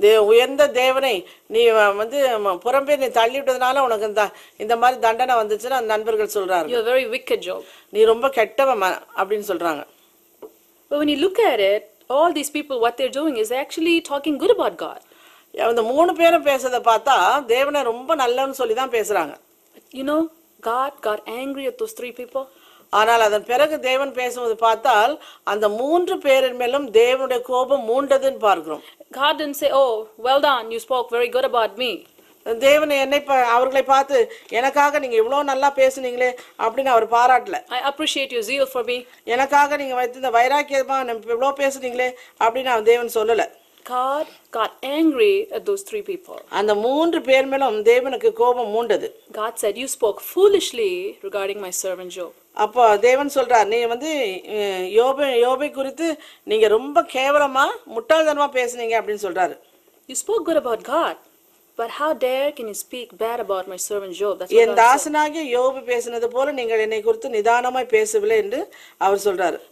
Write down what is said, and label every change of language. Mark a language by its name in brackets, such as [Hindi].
[Tamil] உயர்ந்த தேவனை நீ வந்து புறம்பே நீ தள்ளி விட்டதுனால உனக்கு இந்த மாதிரி தண்டனை வந்துச்சுன்னு அந்த நண்பர்கள் சொல்றாரு. [English] You are very wicked Job. [Tamil] நீ ரொம்ப கெட்டவ அப்படின்னு சொல்றாங்க. [English] But when you look at it, all these people, what they're doing is actually talking good about God. [Tamil] அந்த மூணு பேரும் பேசுறதை பார்த்தா தேவனை ரொம்ப நல்லன்னு சொல்லி தான் பேசுறாங்க. [English] You know, God got angry at those three people. [Tamil] ஆனால் அதன் பிறகு தேவன் பேசுவது பார்த்தால் அந்த மூன்று பேரின் மேலும் தேவனுடைய கோபம் மூண்டதுன்னு பார்க்கிறோம். [English] God didn't say, oh, well done, you spoke very good about me. [Tamil] தேவன் என்னை அவர்களை பார்த்து எனக்காக நீங்க இவ்வளவு நல்லா பேசுனீங்களே அப்படின்னு அவர் பாராட்டல. [English] I appreciate your zeal for me. [Tamil] எனக்காக நீங்க வைத்திருந்த வைராக்கியமா இவ்வளவு பேசுனீங்களே அப்படின்னு தேவன் சொல்லல. [English] God got angry at those three people. [Tamil] அந்த மூன்று பேர் மேலும் தேவனுக்கு கோபம் மூண்டது. [English] God said, you spoke foolishly regarding my servant Job. [Tamil] அப்போ தேவன் சொல்றார், நீ வந்து யோபை குறித்து நீங்க ரொம்ப கேவலமா முட்டாள்தனமா பேசுனீங்க அப்படின்னு சொல்றாரு. [English] You spoke good about God, but how dare can you speak bad about my servant Job? That's [Tamil] என் தாசனாகிய யோபு பேசினது போல நீங்கள் என்னை குறித்து நிதானமாய் பேசவில்லை என்று அவர் சொல்றாரு.